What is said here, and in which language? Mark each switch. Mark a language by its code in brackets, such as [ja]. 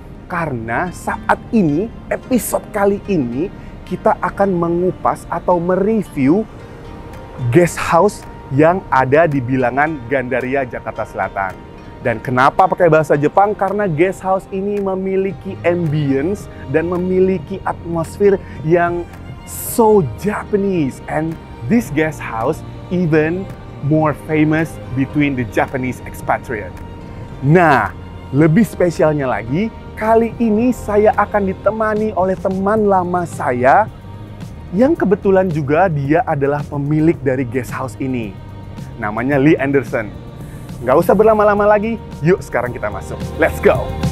[id] Karena saat ini, episode kali ini, kita akan mengupas atau mereview guest house yang ada di bilangan Gandaria, Jakarta Selatan. Dan kenapa pakai bahasa Jepang? Karena guest house ini memiliki ambience dan memiliki atmosfer yang [en] so Japanese. And this guest house even more famous between the Japanese expatriate. [id] Nah, lebih spesialnya lagi, kali ini saya akan ditemani oleh teman lama saya yang kebetulan juga dia adalah pemilik dari guest house ini. Namanya Lee Anderson. Nggak usah berlama-lama lagi, yuk sekarang kita masuk. [en] Let's go!